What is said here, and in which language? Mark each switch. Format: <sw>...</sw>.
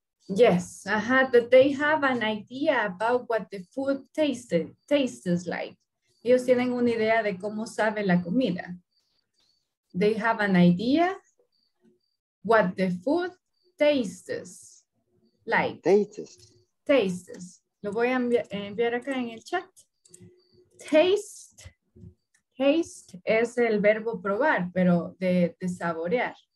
<en>Yes, but they have an idea about what the food tastes like.</en> <es>Ellos tienen una idea de cómo sabe la comida.</es> <en>They have an idea what the food tastes like. Tastes.</en> <es>Lo voy a enviar acá en el chat. Taste es el verbo probar, pero de saborear.</es>